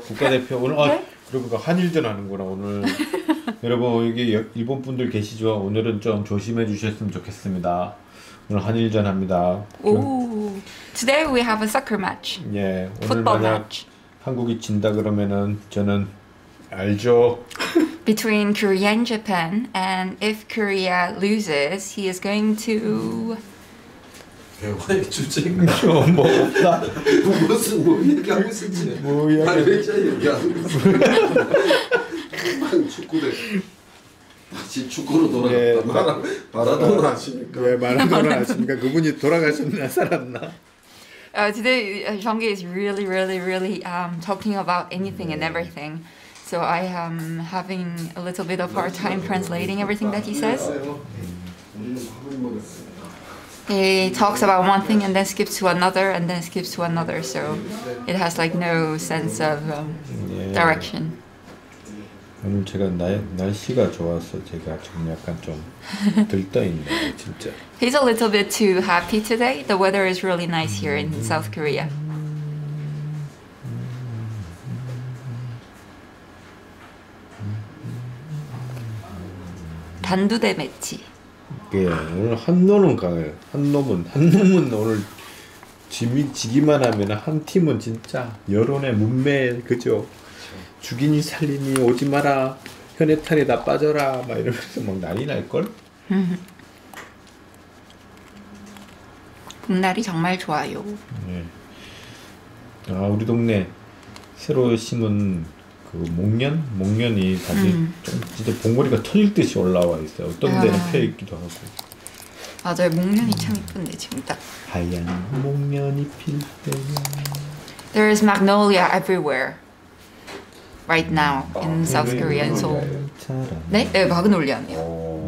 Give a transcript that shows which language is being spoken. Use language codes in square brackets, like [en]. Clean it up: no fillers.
[ko] 국가대표 오늘 아 그리고 그 한일전 하는구나 오늘. 여러분 여기 일본 분들 계시죠? 오늘은 좀 조심해 주셨으면 좋겠습니다. 오늘 한일전 합니다. [en] 오, today we have a soccer match. [ko] 예, 오늘 만약 match. 한국이 진다 그러면은 저는 알죠. [en] Between Korea and Japan, and if Korea loses, he is going to. [ko] 대화의 주제인가요? 뭐 없다. 무슨 뭐 얘기하고 있었지? 뭐 이야기? 아니 왜 저 얘기하는 거지? 축구대. 다시 축구로 돌아갔다. 네, 마라도나 하십니까? 왜 마라도나 하십니까? 그분이 돌아가셨나 살았나? [en] Today, Jeonggi is really, really, really talking about anything 네. and everything. So I am having a little bit of hard time translating everything that he says. He talks about one thing and then skips to another and then skips to another. So it has like no sense of direction. [ko] 오늘 제가 날씨가 좋아서 제가 좀 약간 좀 들떠 있네요, 진짜. [en] He's a little bit too happy today. The weather is really nice here in South Korea. [ko] 단두대 매치. 예, 오늘 한놈은 강해. 한놈은 오늘 지기만 하면 한 팀은 진짜 여론의 문매 그죠? 죽이니 살리니 오지 마라 현해탈에 다 빠져라 막 이러면서 막 난리 날 걸. 봄날이 정말 좋아요. 네. 아 우리 동네 새로 심은. 그 목련? 목련이 다시 좀 진짜 봉오리가 터질 듯이 올라와 있어요. 어떤 데는 펴 있기도 하고. 맞아요. 목련이 참 이쁜데 진짜. 하얀 목련이 필 때면. [en] There is magnolia everywhere right now in South Korea. [ko] So 네, 네 마그놀리아네요.